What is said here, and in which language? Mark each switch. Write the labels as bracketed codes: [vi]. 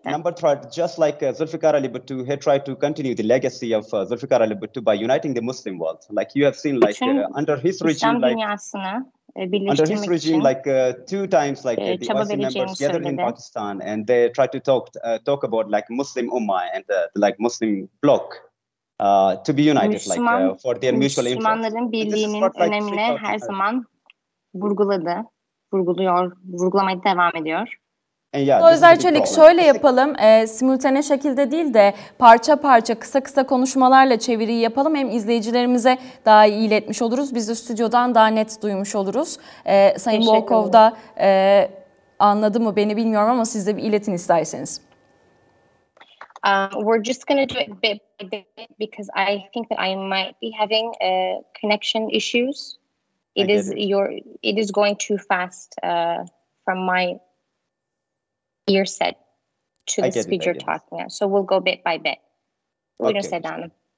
[en] Number three, Zulfikar Ali Bhutto, he tried to continue the legacy of Zulfikar Ali Bhutto by uniting the Muslim world. You have seen under his [tr] İslam dünyasını birleştirmek [en] his regime, [tr] için [en] two times the ASI members gathered in Pakistan and they tried to talk about Muslim Ummah and the Muslim bloc to be united [tr] Müslüman, [en] for their mutual interest. [tr] Müslümanların birliğinin önemine her zaman vurgulamaya devam ediyor. Özer Çelik, şöyle yapalım, simultane şekilde değil de parça parça kısa kısa konuşmalarla çeviriyi yapalım. Hem izleyicilerimize daha iyi iletmiş oluruz, biz de stüdyodan daha net duymuş oluruz. Sayın Volkov da anladı mı beni bilmiyorum ama siz de bir iletin isterseniz. [en] We're just going to do it bit by bit because I think that I might be having connection issues. It is going too fast from my ear set to the speed you're talking at. So we'll go bit by bit. We're going to sit down.